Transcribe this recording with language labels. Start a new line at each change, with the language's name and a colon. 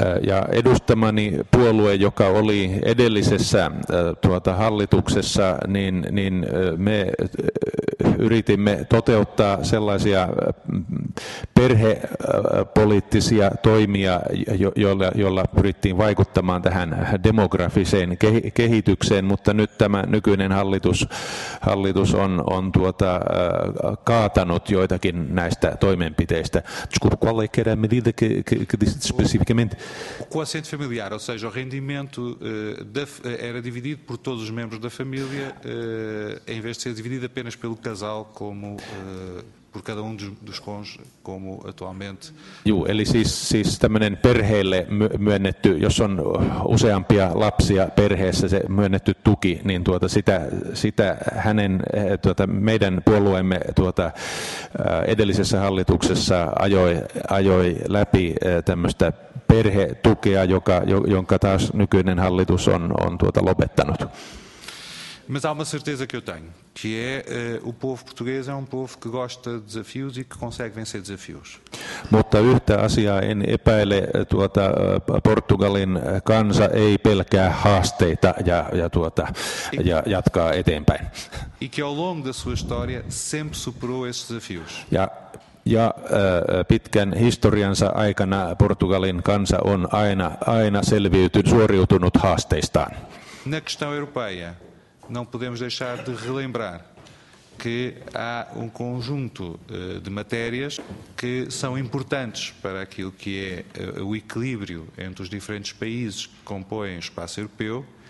Finnish: Ja edustamani puolue, joka oli edellisessä hallituksessa, niin me yritimme toteuttaa sellaisia perhepoliittisia toimia, joilla pyrittiin vaikuttamaan tähän demografiseen kehitykseen, mutta nyt tämä nykyinen hallitus on kaatanut joitakin näistä toimenpiteistä.
Portuguese: O quociente familiar, ou seja, o rendimento era dividido por todos os membros da família, em vez de ser dividido apenas pelo casal, como por cada um dos cônjuges, como atualmente.
Finnish: Juu, eli siis tämmöinen perheelle myönnetty, jos on useampia lapsia perheessä se myönnetty tuki, niin sitä hänen, meidän puolueemme edellisessä hallituksessa ajoi läpi tämmöistä perhetukea, jonka taas nykyinen hallitus on lopettanut.
Portuguese: Mas há uma certeza que eu tenho, que é o povo português é um povo que gosta de desafios e que consegue vencer desafios.
Finnish: Mutta yhtä asiaa en epäile, Portugalin kansa ei pelkää haasteita ja jatkaa eteenpäin.
Portuguese: E que ao longo da sua história sempre superou esses desafios.
Finnish: Ja pitkän historiansa aikana Portugalin kansa on aina suoriutunut haasteistaan.
Portuguese: Na questão europeia, não podemos deixar de relembrar que há conjunto de matérias que são importantes para aquilo que é o equilíbrio entre os diferentes países que compõem o espaço europeu